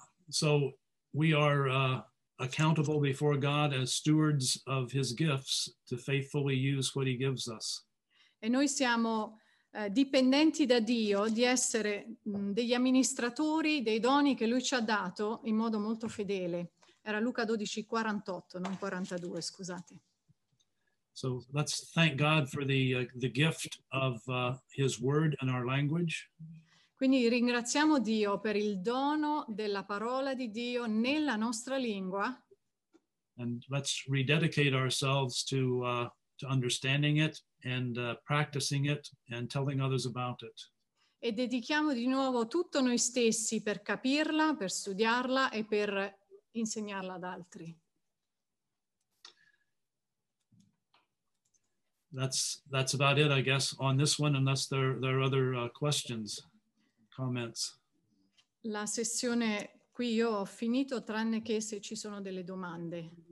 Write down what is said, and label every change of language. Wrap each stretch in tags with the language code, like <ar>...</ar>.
<en>So we are accountable before God as stewards of his gifts to faithfully use what he gives us.</en> <it>E noi siamo dipendenti da Dio di essere degli amministratori dei doni che lui ci ha dato in modo molto fedele. Era Luca 12:48, non 42, scusate.</it> <en>So let's thank God for the gift of his word and our language.</en> <it>Quindi ringraziamo Dio per il dono della parola di Dio nella nostra lingua.</it> <en>And let's rededicate ourselves to understanding it and practicing it and telling others about it.</en> <it>E dedichiamo di nuovo tutto noi stessi per capirla, per studiarla e per insegnarla ad altri.</it> <en>That's about it, I guess, on this one, unless there are other questions, comments.</en> <it>La sessione qui io ho finito, tranne che se ci sono delle domande.</it>